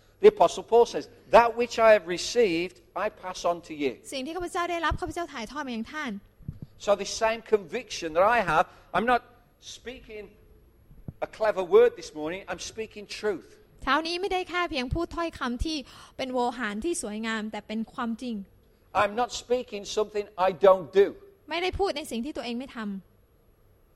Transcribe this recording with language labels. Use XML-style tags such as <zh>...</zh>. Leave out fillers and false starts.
<en>The Apostle Paul says that which I have received, I pass on to you.</en> <th>สิ่งที่ข้าพเจ้าได้รับข้าพเจ้าถ่ายทอดมายังท่าน</th> <en>So the same conviction that I have, I'm not speaking a clever word this morning. I'm speaking truth.</en> <th>เช้านี้ไม่ได้แค่เพียงพูดถ้อยคำที่เป็นโวหารที่สวยงามแต่เป็นความจริง</th> <en>I'm not speaking something I don't do</en> <th>ไม่ได้พูดในสิ่งที่ตัวเองไม่ทำ</th>